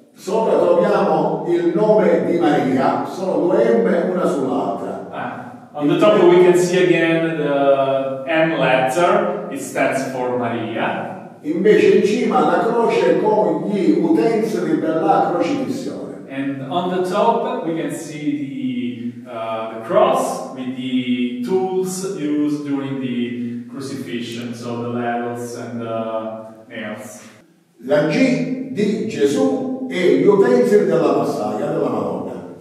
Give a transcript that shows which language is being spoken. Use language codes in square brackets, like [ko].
[it] Sopra troviamo il nome di Maria, sono due M una sull'altra. [en] On the top we can see again the M letter, it stands for Maria. [it] Invece in cima la croce con gli utensili per la crocifissione. [en] And on the top we can see the cross with the tools used during the crucifixion, so the levels and the nails. [it] La G di Gesù e gli utensili della Passaia, della Madonna.